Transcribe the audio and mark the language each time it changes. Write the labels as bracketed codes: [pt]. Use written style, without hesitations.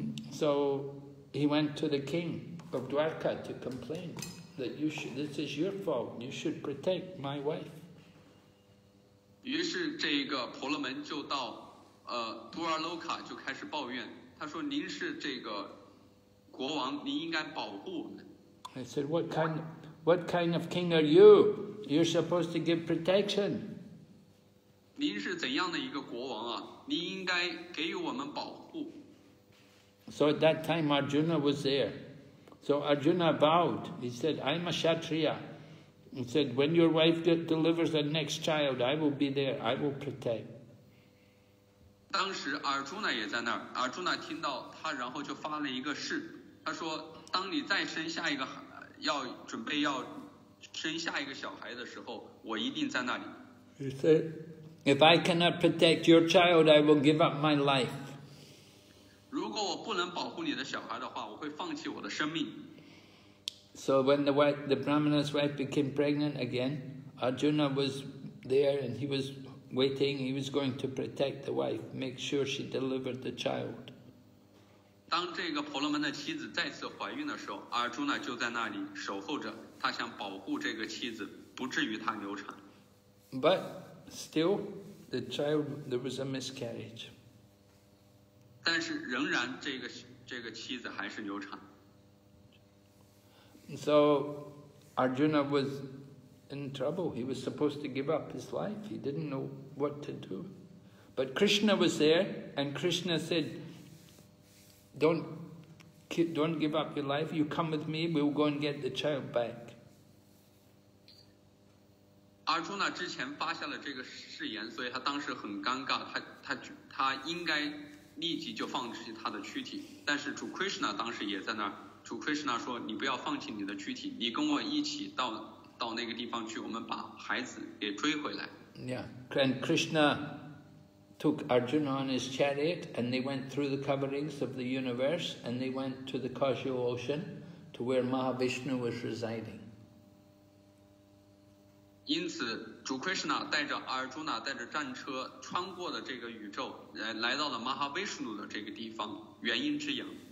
[en] So he went to the king of Dwarka to complain that this is your fault, you should protect my wife. [zh] 于是这个婆罗门就到杜尔洛卡就开始抱怨，他说您是这个国王，您应该保护我们。 [en] I said, what kind of king are you? You're supposed to give protection. [zh] 您是怎样的一个国王啊？您应该给予我们保护。 [en] So at that time Arjuna was there. So Arjuna bowed. He said, "I'm a Kshatriya. and said, when your wife delivers the next child, I will be there, I will protect. [zh] 当时阿尔朱娜也在那儿，阿尔朱娜听到他然后就发了一个誓，他说当你再生下一个要准备要生下一个小孩的时候，我一定在那里。 [en] He said, if I cannot protect your child, I will give up my life. [zh] 如果我不能保护你的小孩的话，我会放弃我的生命。 [en] So when the Brahmana's wife became pregnant again, Arjuna was there and he was waiting. He was going to protect the wife, make sure she delivered the child. [zh] 当这个婆罗门的妻子再次怀孕的时候，阿尔朱娜就在那里守候着，他想保护这个妻子，不至于她流产。 [en] But still, the child, there was a miscarriage. [zh] 但是仍然这个妻子还是流产。 [en] So Arjuna was in trouble. He was supposed to give up his life. He didn't know what to do. But Krishna was there, and Krishna said, don't give up your life. You come with me, we'll go and get the child back. [zh] Arjuna 之前发下了这个誓言，所以他当时很尴尬，他应该立即就放弃他的躯体。但是主 Krishna 当时也在那儿。主 Krishna 说，你不要放弃你的躯体，你跟我一起到那个地方去，我们把孩子给追回来。 [en] Yeah, and Krishna took Arjuna on his chariot, and they went through the coverings of the universe, and they went to the causal ocean, to where Mahavishnu was residing. [zh] 因此，主 Krishna 带着 Arjuna 带着战车穿过了这个宇宙，来到了 Mahavishnu 的这个地方，元婴之阳。